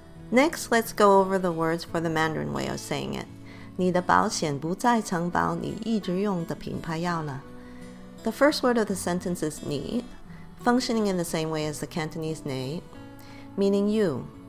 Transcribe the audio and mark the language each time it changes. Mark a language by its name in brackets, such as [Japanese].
[English] Next, let's go over the words for the Mandarin way of saying it. [Chinese] 你的保险不再承保你一直用的品牌药了. [English] The first word of the sentence is 你, functioning in the same way as the Cantonese 你, meaning you.